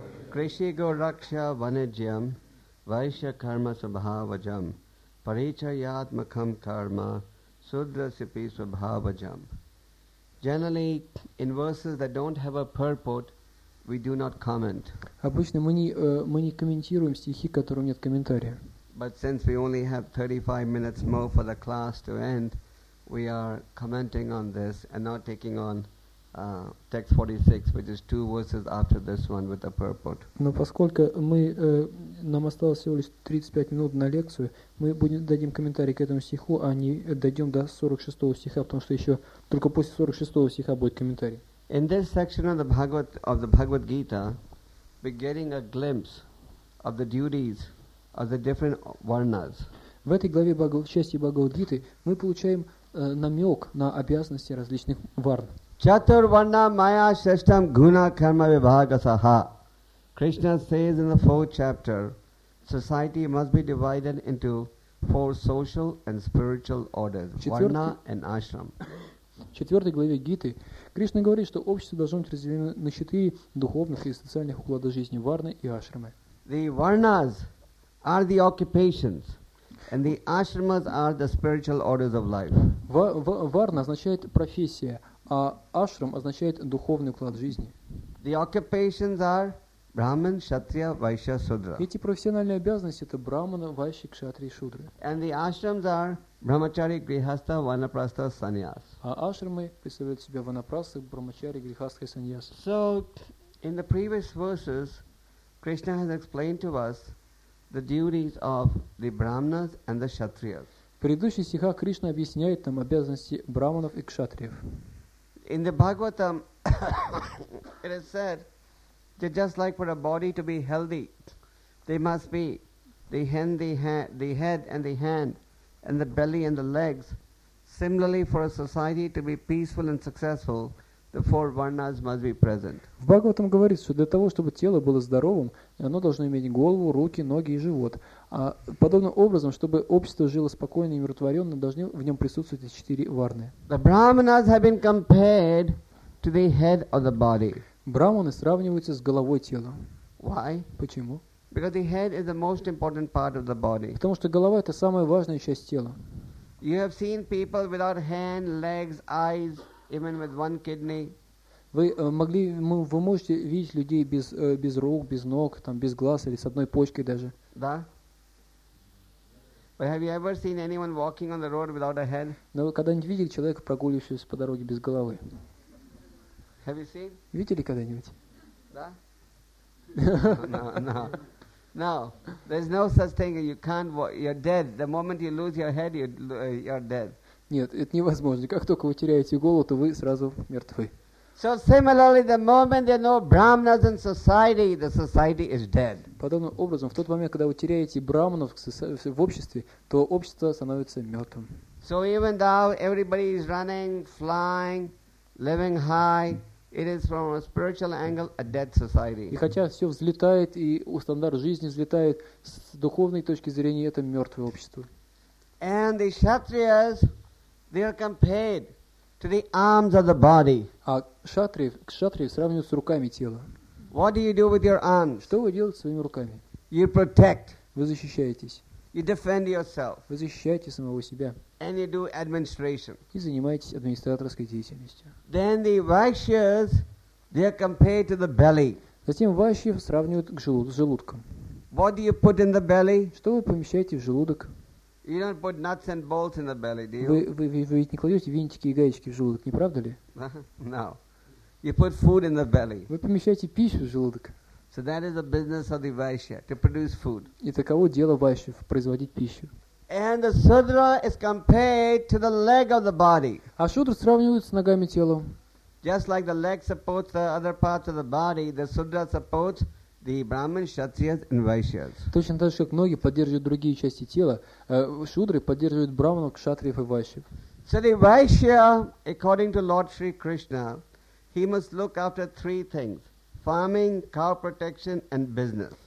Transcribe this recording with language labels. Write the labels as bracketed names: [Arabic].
[Sanskrit] Кришни Горакша Ванеджиам Вайшья Карма Сабхаваджам Парича Ядмакам Карма Судра Сипи Сабхаваджам. [English] Generally, in verses that don't have a purport, we do not comment. [Russian] Обычно мы не комментируем стихи, которым нет комментария. [English] But since we only have 35 minutes more for the class to end, we are commenting on this and not taking on text 46, which is two verses after this one with a purport. [Russian] Но поскольку нам осталось всего лишь 35 минут на лекцию, мы дадим комментарий к этому стиху, а не дойдем до 46 стиха, потому что еще только после 46 стиха будет комментарий. [English] In this section of the Bhagavad Gita, we're getting a glimpse of the duties of the different varnas. [Russian] В этой главе части Бхагавад Гиты мы получаем намек на обязанности различных варн. [Sanskrit] Чатурварна майя шрештам гуна карма вибхагасаха. [English] Krishna says in the fourth chapter, society must be divided into four social and spiritual orders, varna and ashram. [Russian] В четвертой главе Гиты Кришна говорит, что общество должно быть разделено на четыре духовных и социальных уклада жизни, варны и ашрамы. [English] The varnas are the occupations. And the ashramas are the spiritual orders of life. [Russian] Варна означает профессия, а ашрам означает духовный уклад жизни. [English] The occupations are Brahman, Kshatriya, Vaishya, Sudra. [Russian] Эти профессиональные обязанности – это Брахмана, Вайши, Кшатри и Шудры. [English] And the ashrams are Brahmachari, Grihastha, Vanaprastha, Sannyas. [Russian] А ашрамы представляют себя Ванапрастха, Брахмачари, Грихастха и Саньяс. [English] So, in the previous verses, Krishna has explained to us the duties of the Brahmanas and the Kshatriyas. [Russian] В предыдущих стихах Кришна объясняет нам обязанности Брахманов и Кшатриев. [English] In the Bhagavatam, it is said, that just like for a body to be healthy, they must be the head and the hand and the belly and the legs. Similarly, for a society to be peaceful and successful, the four varnas must be present. [Russian] В Бхагаватам говорится, что для того, чтобы тело было здоровым, оно должно иметь голову, руки, ноги и живот. А подобным образом, чтобы общество жило спокойно и умиротворенно, должны в нем присутствовать эти четыре варны. [English] The brahmanas have been compared to the head of the body. [Russian] Брахманы сравниваются с головой тела. [English] Why? [Russian] Почему? [English] Because the head is the most important part of the body. [Russian] Потому что голова – это самая важная часть тела. [English] You have seen people without hand, legs, eyes, even with one kidney. [Russian] Вы можете видеть людей без рук, без ног, там, без глаз или с одной почкой даже? Да. [English] But have you ever seen anyone walking on the road without a head? [Russian] Но вы когда-нибудь видели человека, прогуливающегося по дороге без головы? [English] Have you seen? [Russian] Видели когда-нибудь? Да. [English] No. Now, there's no such thing that you can't walk. You're dead. The moment you lose your head, you're dead. [Russian] Нет, это невозможно. Как только вы теряете голову, то вы сразу мертвы. [English] So similarly, the moment there are no brahmanas in society, the society is dead. [Russian] Подобным образом, в тот момент, когда вы теряете брахманов в обществе, то общество становится мертвым. [English] So even though everybody is running, flying, living high, it is from a spiritual angle a dead society. [Russian] И хотя все взлетает и стандарт жизни взлетает, с духовной точки зрения это мертвое общество. [English] And the kshatriyas, they are compared to the arms of the body. [Russian] А кшатрии сравниваются с руками тела. [English] What do you do with your arms? [Russian] Что вы делаете своими руками? [English] You protect. [Russian] Вы защищаетесь. [English] You defend yourself. [Russian] Вы защищаете самого себя. [English] And you do administration. [Russian] И занимаетесь администраторской деятельностью. [English] Then the vaishyas, they are compared to the belly. [Russian] Затем вайшьев сравнивают к желудку. [English] What do you put in the belly? [Russian] Что вы помещаете в желудок? [English] You don't put nuts and bolts in the belly, do you? [Russian] Вы ведь не кладете винтики и гаечки в желудок, не правда ли? [English] No. You put food in the belly. [Russian] Вы помещаете пищу в желудок. [English] So that is the business of the vaishya, to produce food. [Russian] И таково дело вайшьев – производить пищу. [English] And the sudra is compared to the leg of the body. [Russian] А шудра сравнивается с ногами тела. [English] Just like the leg supports the other parts of the body, the sudra supports the brahman, kshatriyas and vaishyas. [Russian] Точно так же, как ноги поддерживают другие части тела, шудры поддерживают брахманов, кшатриев и вайшьев. [English] So the vaishya, according to Lord Sri Krishna, he must look after three things: farming, cow protection and business.